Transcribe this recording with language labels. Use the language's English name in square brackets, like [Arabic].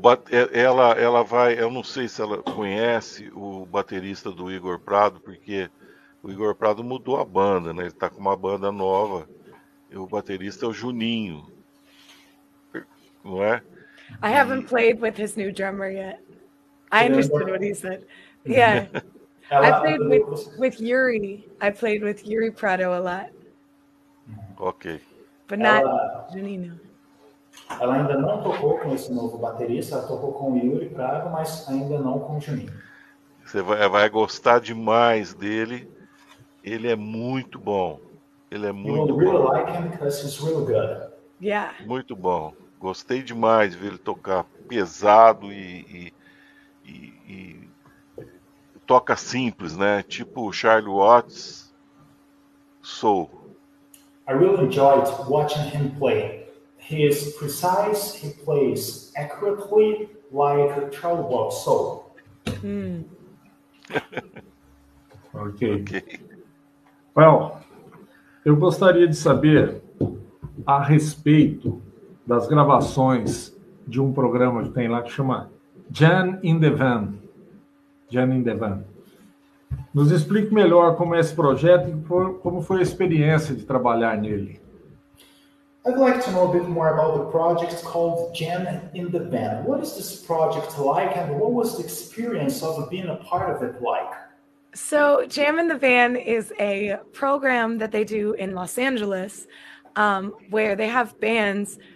[Portuguese] Ela vai, eu não sei se ela conhece o baterista do Igor Prado, porque o Igor Prado mudou a banda, né? Ele tá com uma banda nova. E o baterista é o Juninho. Não é? [English] I haven't played with his new drummer yet. I understood what he said. Yeah. Ela, I played with Yuri. I played with Yuri Prado a lot. Okay. But not Janino. [Portuguese] Ela ainda não tocou com esse novo baterista, ela tocou com o Yuri Prado, mas ainda não com o Juninho. Você vai gostar demais dele. Ele é muito bom. Ele é muito bom. [English] You will really like him because he's really good. Yeah. [Portuguese] Muito bom. Gostei demais de ver ele tocar pesado e toca simples, né? Tipo Charlie Watts, Soul. [English] I really enjoyed watching him play. He is precise, he plays accurately, like Charlie Watts, Soul. Okay. [Portuguese] Well, eu gostaria de saber a respeito das gravações de um programa que tem lá que chama Jan in the Van. Jan in the Van. Nos explique melhor como é esse projeto e como foi a experiência de trabalhar nele. [English] I'd like to know a bit more about the project called Jan in the Van. What is this project like and what was the experience of being a part of it like? So Jam in the Van is a program that they do in Los Angeles where they have bands.